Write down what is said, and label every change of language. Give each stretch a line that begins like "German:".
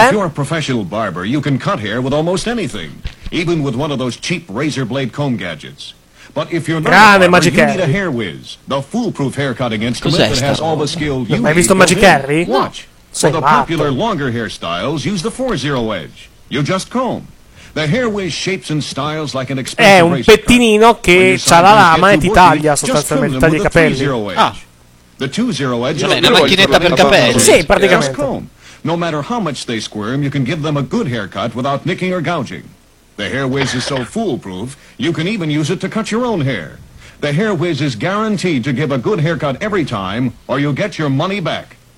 English: If you're a professional barber, you can cut hair with almost anything, even with one of those cheap razor blade comb gadgets. But if you're not
Italian: grande
English: a barber, you need a hair whiz, the foolproof haircutting instrument that has all the skill you
Italian: need. Hai visto Magic Harry?
English: Watch.
Italian: Sei
English: for the popular longer hairstyles, use the 4-0 edge. You just comb. The hair whiz shapes and styles like an expensive razor.
Italian: È un pettinino che c'ha la lama e ti taglia sostanzialmente, ti taglia i capelli. Ah.
English: The 2-0 edge.
Italian: Vabbè, una macchinetta per capelli. Sì, praticamente.
English: No matter how much they squirm, you can give them a good haircut without nicking or gouging. The hair whiz is so foolproof, you can even use it to cut your own hair. The hair whiz is guaranteed to give a good haircut every time, or you'll get your money back.